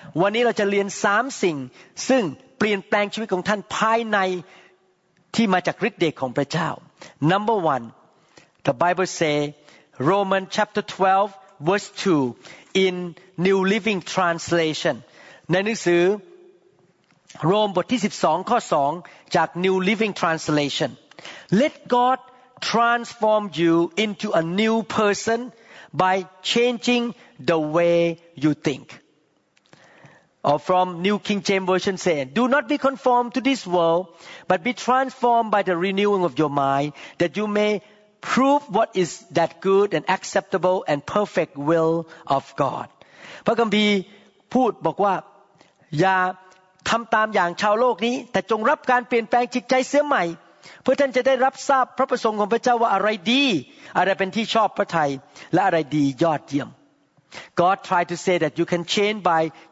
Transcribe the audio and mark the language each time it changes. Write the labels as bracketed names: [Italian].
[Thai] วันนี้เราจะเรียน3สิ่งซึ่งเปลี่ยนแปลงชีวิตของท่านภายในที่มาจากฤทธิ์เดชของพระเจ้า [English] Number 1 The Bible say Romans chapter 12 verse 2 in New Living Translation [Thai] ในหนังสือโรมบทที่12ข้อ2จาก [English] New Living Translation Let GodTransform you into a new person by changing the way you think. Or from New King James Version say, Do not be conformed to this world, but be transformed by the renewing of your mind, that you may prove what is that good and acceptable and perfect will of God. [Thai] พระคัมภีร์พูดบอกว่าอย่าทำตามอย่างชาวโลกนี้แต่จงรับการเปลี่ยนแปลงจิตใจเสียใหม่เพื่อท่านจะได้รับทราบพระประสงค์ของพระเจ้าว่าอะไรดีอะไรเป็นที่ชอบพระทัยและอะไรดียอดเยี่ยม [English] God tried to say that you can change by